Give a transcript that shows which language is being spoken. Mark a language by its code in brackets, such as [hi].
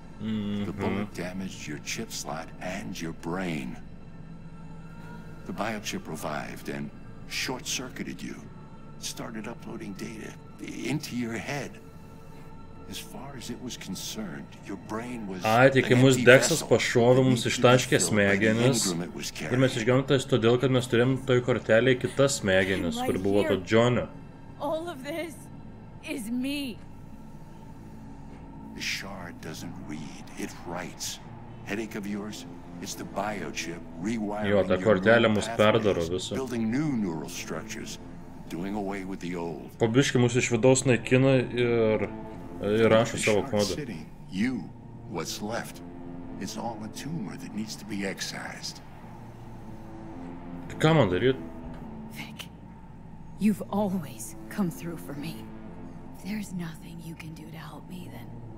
[en] The bullet damaged your chip slot and your brain. The biochip revived and short-circuited you. Started uploading data into your head. As far as it was concerned, your brain was... [lt] Ai, tai kai mūsų deksas pašovė mums ištaškė smegenis, ir mes išgavome tas todėl, kad mes turėjom toj kortelėje kitas smegenis, kur buvo to Džonio. [en] All of this is me. The shard doesn't read, it writes. Headache of yours? It's the biochip rewiring your neural pathways, building new neural structures, doing away with the old. [lt] Po biškį mūsų iš vidaus naikina ir rašo savo kodą. [en] You, what's left, it's all a tumor that needs to be excised. [lt] Ką man daryt? [en] Vic, you've always come through for me. There's nothing you can do to help me then.